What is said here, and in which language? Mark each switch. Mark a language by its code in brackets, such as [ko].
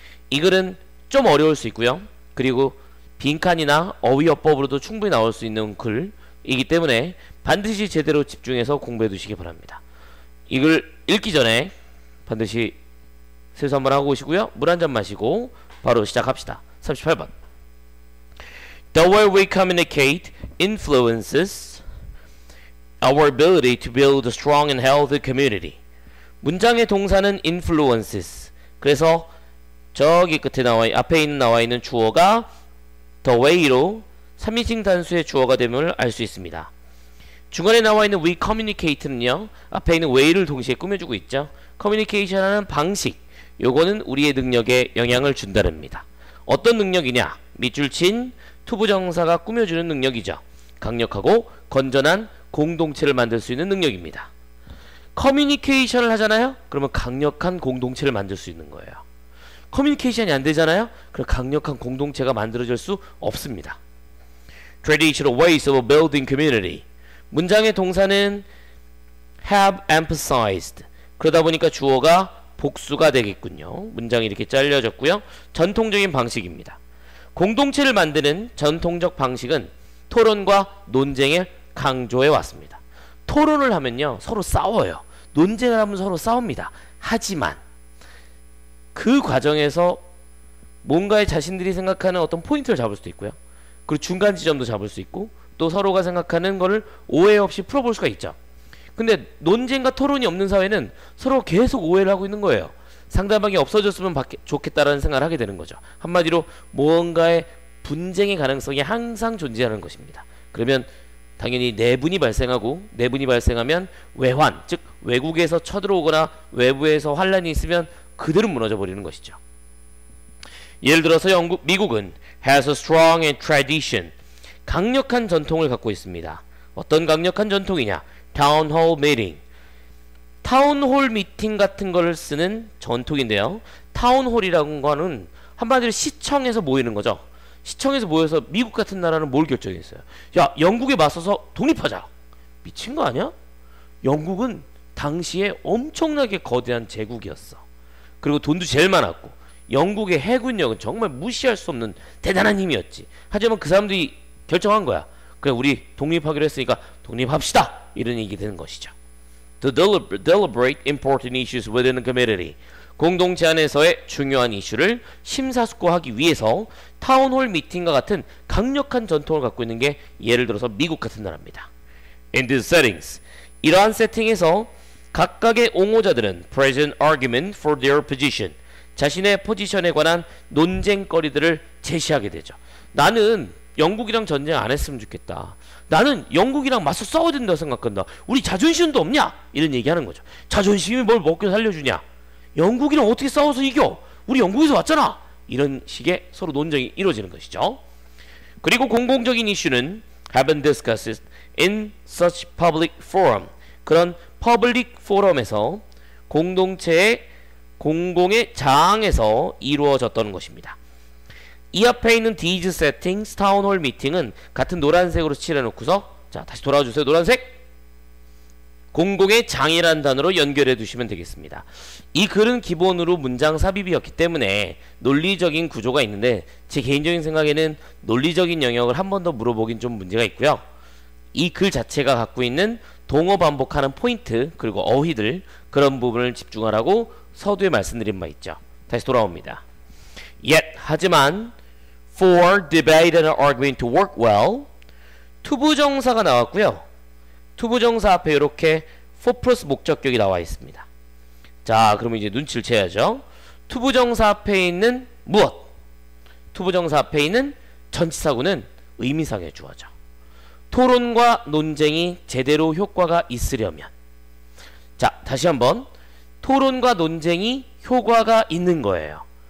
[ko] 이 글은 좀 어려울 수 있고요. 그리고 빈칸이나 어휘어법으로도 충분히 나올 수 있는 글이기 때문에 반드시 제대로 집중해서 공부해두시기 바랍니다. 이걸 읽기 전에 반드시 세수 한번 하고 오시고요. 물 한 잔 마시고 바로 시작합시다. [en] 38번 The way we communicate influences our ability to build a strong and healthy community. [ko] 문장의 동사는 influences. 그래서 저기 끝에 나와 있는 주어가 the way로 3인칭 단수의 주어가 됨을 알 수 있습니다. 중간에 나와 있는 we communicate는요, 앞에 있는 way를 동시에 꾸며주고 있죠. communication 하는 방식, 요거는 우리의 능력에 영향을 준다랍니다. 어떤 능력이냐? 밑줄 친 to 부정사가 꾸며주는 능력이죠. 강력하고 건전한 공동체를 만들 수 있는 능력입니다. communication을 하잖아요? 그러면 강력한 공동체를 만들 수 있는 거예요. communication이 안 되잖아요? 그럼 강력한 공동체가 만들어질 수 없습니다. [en] traditional ways of building community. [ko] 문장의 동사는 [en] have emphasized. [ko] 그러다 보니까 주어가 복수가 되겠군요. 문장이 이렇게 잘려졌고요. 전통적인 방식입니다. 공동체를 만드는 전통적 방식은 토론과 논쟁에 강조해 왔습니다. 토론을 하면요. 서로 싸워요. 논쟁을 하면 서로 싸웁니다. 하지만 그 과정에서 뭔가의 자신들이 생각하는 어떤 포인트를 잡을 수도 있고요. 그리고 중간 지점도 잡을 수 있고 또 서로가 생각하는 거를 오해 없이 풀어볼 수가 있죠. 근데 논쟁과 토론이 없는 사회는 서로 계속 오해를 하고 있는 거예요. 상대방이 없어졌으면 좋겠다라는 생각을 하게 되는 거죠. 한마디로 무언가의 분쟁의 가능성이 항상 존재하는 것입니다. 그러면 당연히 내분이 발생하고 내분이 발생하면 외환, 즉 외국에서 쳐들어오거나 외부에서 환란이 있으면 그대로 무너져버리는 것이죠. 예를 들어서 미국은 [en] has a strong tradition. [ko] 강력한 전통을 갖고 있습니다. 어떤 강력한 전통이냐? Town Hall Meeting. Town Hall Meeting 같은 걸 쓰는 전통인데요. Town Hall이라는 거는 한마디로 시청에서 모이는 거죠. 시청에서 모여서 미국 같은 나라는 뭘 결정했어요? 야, 영국에 맞서서 독립하자. 미친 거 아니야? 영국은 당시에 엄청나게 거대한 제국이었어. 그리고 돈도 제일 많았고 영국의 해군력은 정말 무시할 수 없는 대단한 힘이었지. 하지만 그 사람들이 결정한 거야. 그래, 우리 독립하기로 했으니까 독립합시다. 이런 얘기 되는 것이죠. [en] To deliberate important issues within the community. [ko] 공동체 안에서의 중요한 이슈를 심사숙고하기 위해서 타운홀 미팅과 같은 강력한 전통을 갖고 있는 게 예를 들어서 미국 같은 나라입니다. [en] In these settings. [ko] 이러한 세팅에서 각각의 옹호자들은 [en] present argument for their position. [ko] 자신의 포지션에 관한 논쟁거리들을 제시하게 되죠. 나는 영국이랑 전쟁 안 했으면 좋겠다. 나는 영국이랑 맞서 싸워야 된다고 생각한다. 우리 자존심도 없냐? 이런 얘기하는 거죠. 자존심이 뭘 먹고 살려주냐? 영국이랑 어떻게 싸워서 이겨? 우리 영국에서 왔잖아. 이런 식의 서로 논쟁이 이루어지는 것이죠. 그리고 공공적인 이슈는 [en] haven't discussed in such public forum. [ko] 그런 public forum에서 공동체의 공공의 장에서 이루어졌던 것입니다. 이 앞에 있는 these settings, town hall meeting은 같은 노란색으로 칠해놓고서 자 다시 돌아와주세요. 노란색 공공의 장이라는 단어로 연결해두시면 되겠습니다. 이 글은 기본으로 문장 삽입이었기 때문에 논리적인 구조가 있는데 제 개인적인 생각에는 논리적인 영역을 한 번 더 물어보긴 좀 문제가 있고요. 이 글 자체가 갖고 있는 동어 반복하는 포인트 그리고 어휘들 그런 부분을 집중하라고 서두에 말씀드린 바 있죠. 다시 돌아옵니다. [en] Yet, [ko] 하지만, [en] for debate and argument to work well, [ko] 투부정사가 나왔고요. 투부정사 앞에 이렇게 for plus 목적격이 나와 있습니다. 자, 그러면 이제 눈치를 채야죠. 투부정사 앞에 있는 무엇? 투부정사 앞에 있는 전치사구는 의미상의 주어죠. 토론과 논쟁이 제대로 효과가 있으려면, 자, 다시 한번, 토론과 논쟁이 효과가 있는 거예요.